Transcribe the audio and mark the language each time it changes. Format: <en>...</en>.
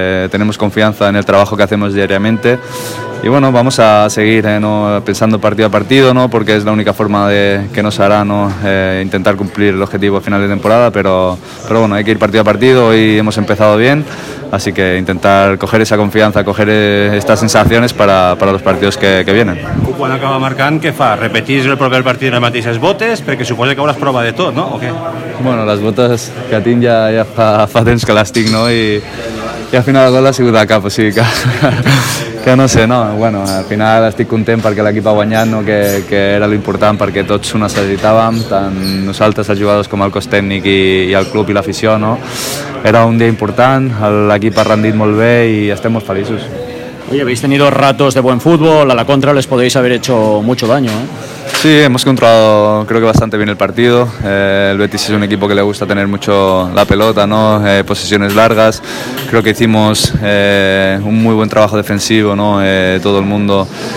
<es>Tenemos confianza en el trabajo que hacemos diariamente. Y bueno, vamos a seguir ¿no? pensando partido a partido, ¿no? Porque es la única forma de que nos hará, ¿no? Intentar cumplir el objetivo a final de temporada, pero bueno, hay que ir partido a partido. Hoy hemos empezado bien, así que intentar coger esa confianza, coger estas sensaciones para los partidos que vienen.</es> <ca>Quan acaba marcant, què fa? Repetís el proper partit les mateixes botes? Perquè suposo que hauràs prova de tot, no? O què? Bueno, les botes que tinc ja fa temps que les tinc, no? I al final el gol ha sigut a cap, o sigui que... Que no sé, no, bueno, al final estic content perquè l'equip ha guanyat, no? que era l'important perquè tots ho necessitàvem, tant nosaltres els jugadors com el cos tècnic i el club i l'afició, no? Era un dia important, l'equip ha rendit molt bé i estem molt feliços.</ca> <es>Oye, habéis tenido ratos de buen fútbol, a la contra les podéis haber hecho mucho daño, ¿eh? Sí, hemos controlado creo que bastante bien el partido. El Betis es un equipo que le gusta tener mucho la pelota, ¿no? Posesiones largas. Creo que hicimos un muy buen trabajo defensivo, ¿no? Todo el mundo.</es>